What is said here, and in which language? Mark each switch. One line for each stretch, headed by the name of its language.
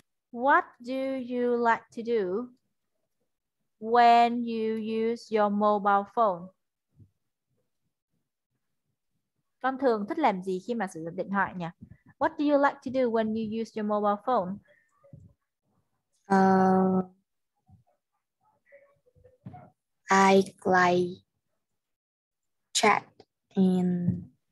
English: What do you like to do when you use your mobile phone?
Vietnamese: Con thường thích làm gì khi mà sử dụng điện thoại nhỉ?
English: What do you like to do when you use your mobile phone? I like chat and